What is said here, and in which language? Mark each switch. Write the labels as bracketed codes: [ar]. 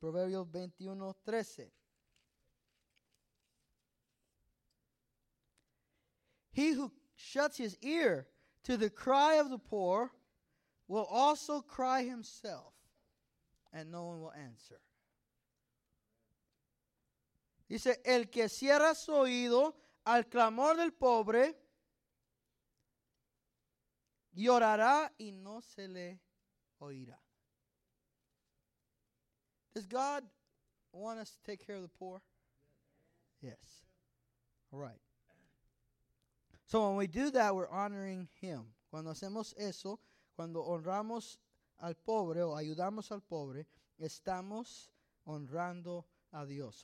[es] Proverbios 21:13. [en] He who shuts his ear to the cry of the poor will also cry himself, and no one will answer. [es] Dice, el que cierra su oído al clamor del pobre, llorará y no se le oirá. [en] Does God want us to take care of the poor? Yes. All right. So when we do that, we're honoring him. [es] Cuando hacemos eso, cuando honramos al pobre o ayudamos al pobre, estamos honrando a Dios.